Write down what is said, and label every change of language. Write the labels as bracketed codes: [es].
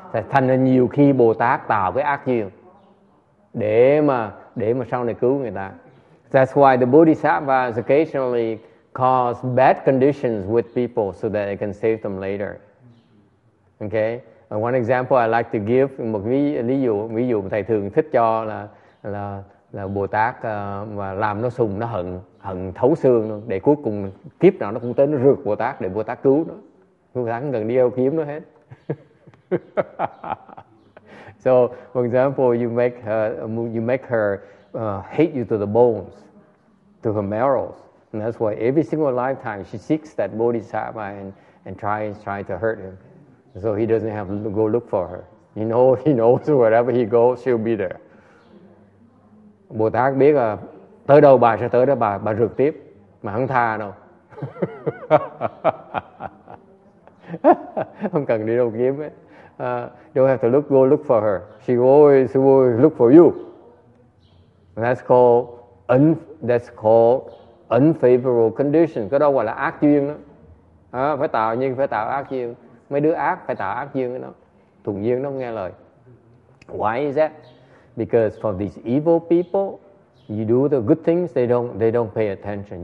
[vi] Thành ra nhiều khi Bồ Tát tạo cái ác duyên để mà sau này cứu người ta. [en] That's why the Bodhisattvas occasionally cause bad conditions with people so that they can save them later. Okay? And one example I like to give, [vi] một ví dụ thầy thường thích cho là Bồ Tát mà làm nó sùng, nó hận thấu xương luôn, để cuối cùng kiếp nào nó cũng tới, nó rượt Bồ Tát để Bồ Tát cứu nó. Bồ Tát gần đi đâu kiếm nó hết. [en] So, for example, you make her hate you to the bones, to her marrows. And that's why every single lifetime she seeks that bodhisattva and tries to hurt him. So he doesn't have to go look for her. He knows wherever he goes, she'll be there. [vi] Bồ Tát biết là tới đâu bà sẽ tới đó, bà rượt tiếp, mà không tha đâu. Không cần đi đâu kiếm ấy. [en] Don't have to look for her. She always will look for you. And that's called unfavorable condition. [vi] Cái đó gọi là ác duyên đó. Phải tạo ác duyên. Mấy đứa ác phải tạo ác duyên đó. Thuận duyên nó nghe lời. [en] Why is that? Because for these evil people, you do the good things, they don't pay attention.